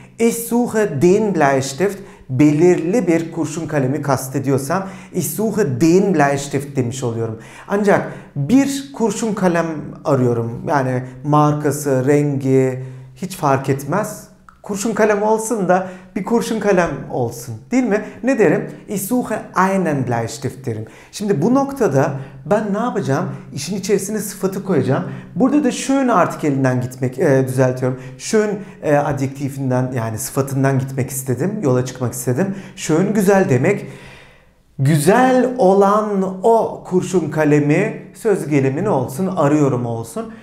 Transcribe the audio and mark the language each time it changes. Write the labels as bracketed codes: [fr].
[de] Ich suche den Bleistift, [tr] belirli bir kurşun kalemi kastediyorsam [de] ich suche den Bleistift [tr] demiş oluyorum. Ancak bir kurşun kalem arıyorum. Yani markası, rengi hiç fark etmez. Kurşun kalem olsun da bir kurşun kalem olsun. Değil mi? Ne derim? [de] Ich suche einen Bleistift [tr] derim. Şimdi bu noktada ben ne yapacağım? İşin içerisine sıfatı koyacağım. Burada da schön artikelinden gitmek, düzeltiyorum. Schön adjektifinden yani sıfatından gitmek istedim. Yola çıkmak istedim. Schön güzel demek. Güzel olan o kurşun kalemi söz gelimi ne olsun? Arıyorum olsun.